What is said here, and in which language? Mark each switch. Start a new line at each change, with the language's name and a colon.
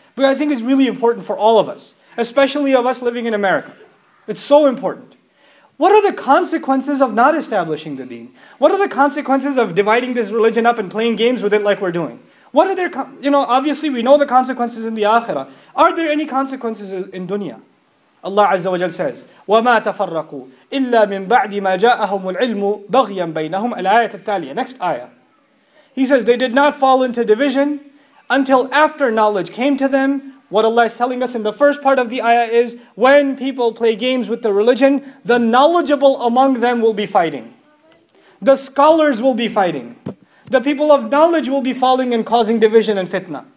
English: But I think it's really important for all of us. Especially of us living in America. It's so important. What are the consequences of not establishing the deen? What are the consequences of dividing this religion up and playing games with it like we're doing? What are their, you know, obviously we know the consequences in the akhirah. Are there any consequences in dunya? Allah Azza wa Jal says,
Arabic: وَمَا تَفَرَّقُوا إِلَّا مِن بَعْدِ مَا جَاءَهُمُ الْعِلْمُ بَغْيًا بَيْنَهُمْ الْآيَةَ التَّالِيَةَ.
English: Next ayah. He says, they did not fall into division until after knowledge came to them. What Allah is telling us in the first part of the ayah is, when people play games with the religion, the knowledgeable among them will be fighting. The scholars will be fighting. The people of knowledge will be falling and causing division and fitna.